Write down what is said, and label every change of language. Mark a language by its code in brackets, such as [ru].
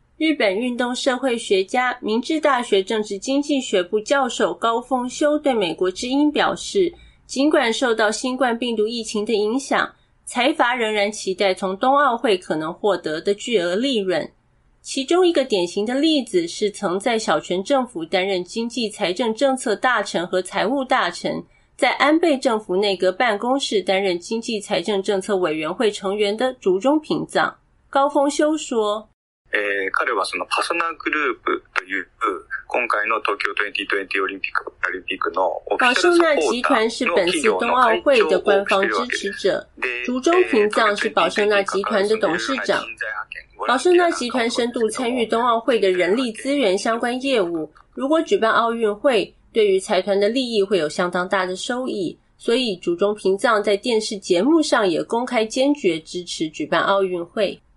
[zh] 日本运动社会学家、明治大学政治经济学部教授高峰修对美国之音表示，尽管受到新冠病毒疫情的影响，财阀仍然期待从冬奥会可能获得的巨额利润。其中一个典型的例子是曾在小泉政府担任经济财政政策大臣和财务大臣，在安倍政府内阁办公室担任经济财政政策委员会成员的竹中平藏。高峰修说， [ja] 彼はそのパソナグループという今回の東京2020オリンピックオリンピックのオフィシャルサポーター。 [zh] パソナ集团是本次冬奥会的官方支持者。竹中平藏是保盛纳集团的董事长。保盛纳集团深度参与冬奥会的人力资源相关业务，如果举办奥运会，对于财团的利益会有相当大的收益，所以竹中平藏在电视节目上也公开坚决支持举办奥运会。